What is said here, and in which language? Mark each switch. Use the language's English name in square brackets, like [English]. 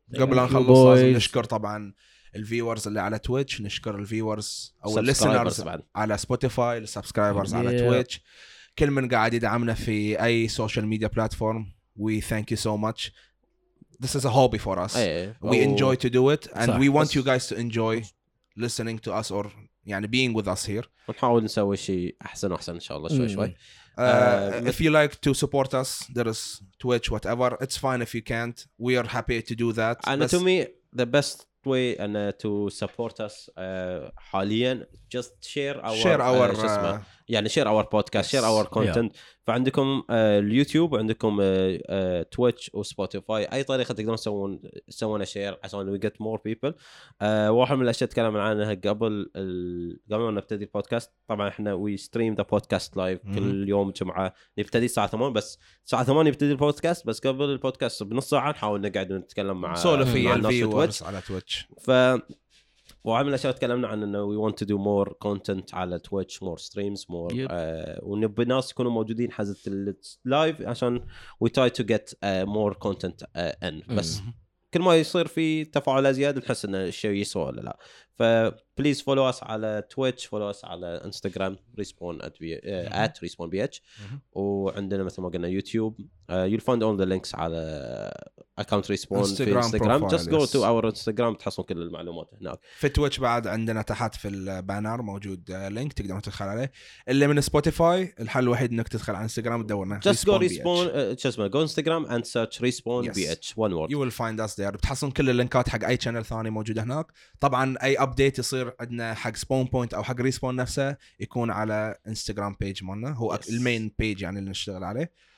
[Arabic] قبل ان نخلص لازم نشكر طبعا الفيورز اللي على تويتش نشكر الفيورز او الليسنرز على سبوتيفاي السبسكرايبرز على تويتش كل من قاعد يدعمنا في اي سوشيال ميديا بلاتفورم [English] We thank you so much. This is a hobby for us we enjoy to do it and we want you guys to enjoy listening to us or يعني being with us here. [Arabic] نحاول نسوي شيء احسن واحسن ان شاء الله شوي [English] if you like to support us there is twitch whatever it's fine if you can't we are happy to do that and to me the best way and to support us حاليا just share our يعني share our podcast yes. share our content yeah. [Arabic] فعندكم اليوتيوب وعندكم تويتش وسبوتيفاي اي طريقه تقدرون تسوون شير عشان [English] we get more people. [Arabic] واحد من الاشياء تكلم عنها قبل ما نبتدي البودكاست طبعا احنا [English] we stream the podcast live [Arabic] كل يوم جمعه نبتدي الساعه 8 بس الساعه 8 يبتدي البودكاست بس قبل البودكاست بنص ساعه نحاول نقعد نتكلم مع سولفي الفيورز على تويتش. ف وعمل أشياء تكلمنا عن إنه [English] we want to do more content [Arabic] على Twitch [English] more streams more [Arabic] ونبي ناس يكونوا موجودين حزة اللايف عشان [English] we try to get more content in [Arabic] بس كل ما يصير في تفاعل زيادة نحس إنه الشيء يسوى ولا لا. [English] ف please follow us على Twitch follow us على Instagram respond at at respond bh [Arabic] وعندنا مثل ما قلنا يوتيوب [English] you'll find all the links على account respond [Arabic] في Instagram [English] profile, just go to our Instagram [Arabic] تحصل كل المعلومات هناك. في Twitch بعد عندنا تحت في البانر موجود لينك تقدر تدخل عليه. اللي من Spotify الحل الوحيد انك تدخل على Instagram تدورنا [English] just go respond go Instagram and search respond bh one word you will find us there [Arabic] بتحصل كل اللينكات حق اي channel ثاني موجود هناك. طبعا اي update يصير عندنا حق سبون بوينت او حق ريسبون نفسه يكون على انستغرام بيج مالنا هو المين بيج يعني اللي نشتغل عليه.